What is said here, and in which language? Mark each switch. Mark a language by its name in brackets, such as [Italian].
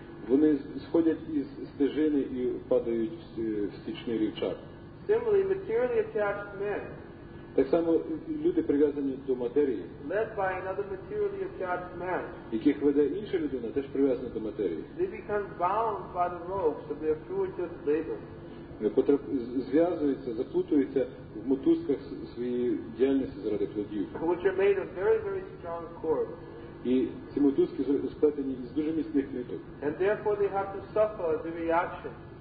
[Ukrainian] Вони сходять із стежини і падають в стічний рівчак. [English] Similarly, materially attached men. [Ukrainian] Так само люди прив'язані до матерії. [English] Led by another materially attached man. [Ukrainian] Яких веде інша людина, теж прив'язана до матерії. [English] They become bound by the ropes of their fruitless labor. [Ukrainian] Зв'язуються, заплутуються в мотузках своєї діяльності заради плодів. [English] Which are made of very, very strong cords. [Ukrainian] І ці мотузки сплетені із дуже міцних ниток. [English] And therefore they have to suffer the reaction.